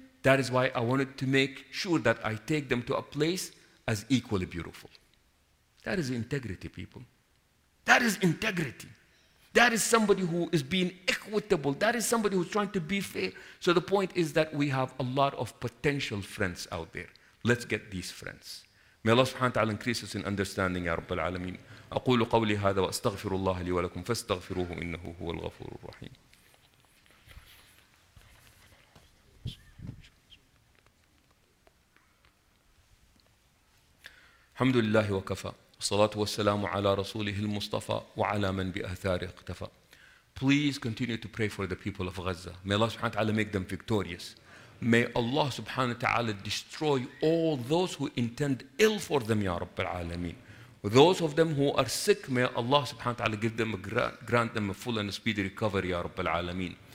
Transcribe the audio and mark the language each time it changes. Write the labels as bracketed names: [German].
[English] That is why I wanted to make sure that I take them to a place as equally beautiful. That is integrity, people. That is integrity. That is somebody who is being equitable. That is somebody who's trying to be fair. So the point is that we have a lot of potential friends out there. Let's get these friends. May Allah subhanahu wa ta'ala increase us in understanding, Ya Rabbal Alameen. [Arabic] أقول قولي هذا وأستغفر الله لي ولكم فاستغفروه إنه هو الغفور الرحيم. الحمد لله وكفى والصلاة والسلام على رسوله المصطفى وعلى من بأثاره اقتفى. [English] Please continue to pray for the people of Gaza. May Allah subhanahu wa ta'ala make them victorious. May Allah subhanahu wa ta'ala destroy all those who intend ill for them, Ya Rabbi Alameen. Those of them who are sick, may Allah subhanahu wa ta'ala give them a grant them a full and a speedy recovery, Ya Rabbi Alameen.